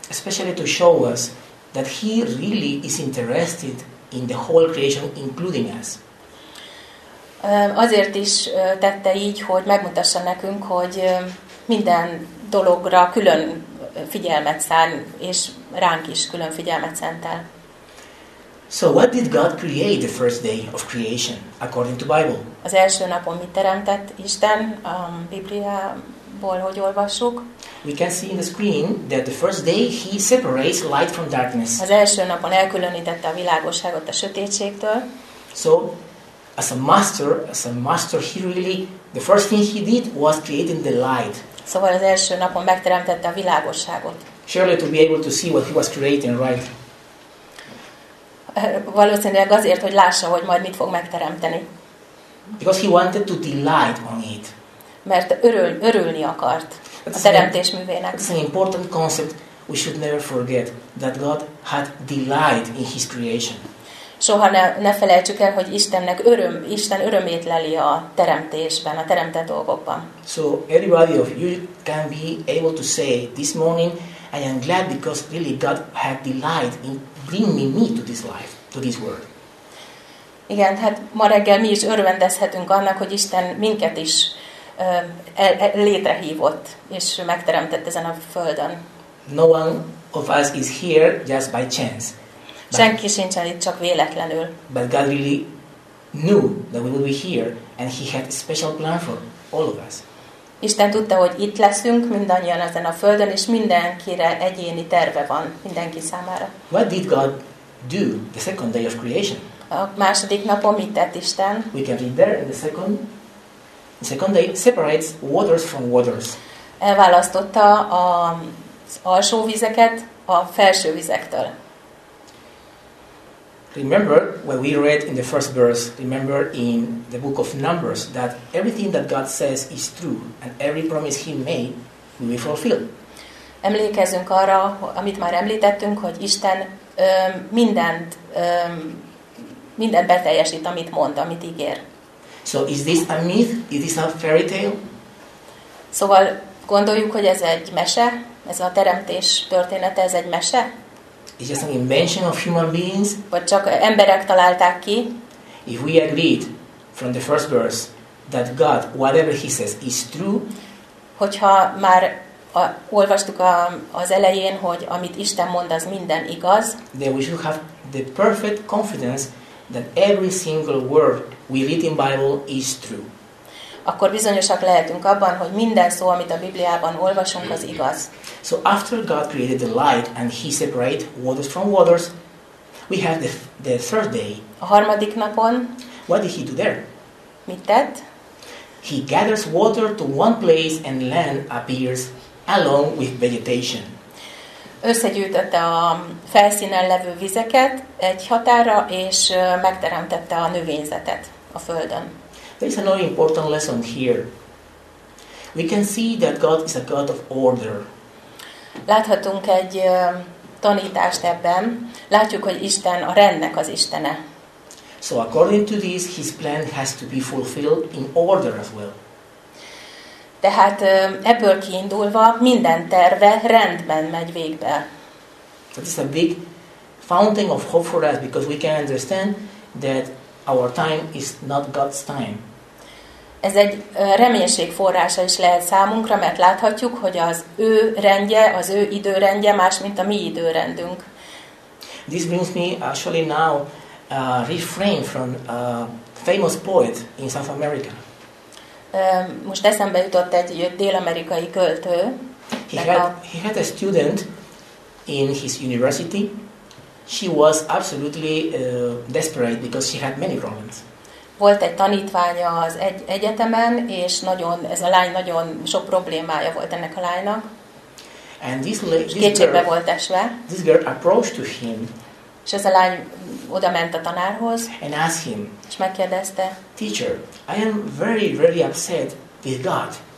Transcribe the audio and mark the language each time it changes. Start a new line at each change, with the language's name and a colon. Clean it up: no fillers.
English: Especially to show us that he really is interested in the whole creation, including us.
Hungarian: Azért is tette így, hogy megmutassa nekünk, hogy minden dologra külön figyelmet szán, és ránk is külön figyelmet szentel.
English: So what did God create the first day of creation, according to Bible?
Hungarian: Az első napon mit teremtett Isten? A Bibliából hogy olvassuk?
English: We can see in the screen that the first day he separates light from darkness.
Hungarian: Az első napon elkülönítette a világosságot a sötétségtől.
English: So, as a master, he really, the first thing he did was creating the light.
Hungarian: Szóval az első napon megteremtette a világosságot.
English: Surely to be able to see what he was creating, right?
Hungarian: Valószínűleg azért, hogy lássa, hogy majd mit fog megteremteni.
English: Because he wanted to delight on it.
Hungarian: Mert örülni akart a teremtés művének.
English: It's an important concept we should never forget, that God had delight in his creation.
Hungarian: Soha ne felejtsük el, hogy Isten örömét leli a teremtésben, a teremtett dolgokban.
English: So everybody of you can be able to say this morning, I am glad because really God had delight in bringing me to this life, to this world.
Hungarian: Igen, hát ma reggel mi is örvendezhetünk annak, hogy Isten minket is létrehívott és megteremtett ezen a földön.
English: No one of us is here just by chance.
Hungarian: Senki sincsen itt csak véletlenül.
English: But God really knew that we would be here, and he had a special plan for all of us.
Hungarian: Isten tudta, hogy itt leszünk mindannyian ezen a földön, és mindenkire egyéni terve van mindenki számára.
English: What did God do the second day of creation?
Hungarian: A második napon mit tett Isten?
English: We can read there in the second day separates waters from waters.
Hungarian: Elválasztotta az alsó vizeket a felső vizektől.
English: Remember when we read in the first verse, remember in the book of Numbers, that everything that God says is true and every promise he made will be fulfilled.
Hungarian: Emlékezzünk arra, amit már említettünk, hogy Isten mindent beteljesít, amit mond, amit ígér.
English: So is this a myth? Is this a fairy tale?
Hungarian: Szóval gondoljuk, hogy ez egy mese, ez a teremtés története, ez egy mese?
English: It's just an invention of human beings.
Hungarian: Vagy csak emberek találták ki.
English: If we agreed from the first verse that God, whatever he says, is true.
Hungarian: Hogyha már olvastuk az elején, hogy amit Isten mond, az minden igaz.
English: Then we should have the perfect confidence that every single word we read in Bible is true.
Hungarian: Akkor bizonyosak lehetünk abban, hogy minden szó, amit a Bibliában olvasunk, az igaz.
English: So after God created the light and he separated waters from waters, we have the third day.
Hungarian: A harmadik napon.
English: What did he do there?
Hungarian: Mit tett?
English: He gathers water to one place and land appears along with vegetation.
Hungarian: Összegyűjtötte a felszínen levő vizeket egy határa, és megteremtette a növényzetet a földön.
English: There is another important lesson here. We can see that God is a God of order.
Hungarian: Láthatunk egy tanítást ebben. Látjuk, hogy Isten a rendnek az Istene.
English: So according to this, his plan has to be fulfilled in order as well.
Hungarian: Tehát ebből kiindulva minden terve rendben megy végbe.
English: That is a big fountain of hope for us, because we can understand that our time is not God's time.
Hungarian: Ez egy reménység forrása is lehet számunkra, mert láthatjuk, hogy az ő rendje, az ő időrendje más, mint a mi időrendünk.
English: This brings me actually now a refrain from a famous poet in South America.
Hungarian: Most eszembe jutott egy dél-amerikai költő.
English: He had a student in his university. She was absolutely desperate because she had many problems.
Hungarian: Volt egy tanítványa az egyetemen, és nagyon ez a lány nagyon sok problémája volt ennek a lánynak.
English: And this
Hungarian: kétségbe volt esve.
English: This girl approached to him.
Hungarian: És ez a lány oda ment a tanárhoz.
English: And asked him.
Hungarian: És megkérdezte.
English: Teacher, I am very, very upset with God.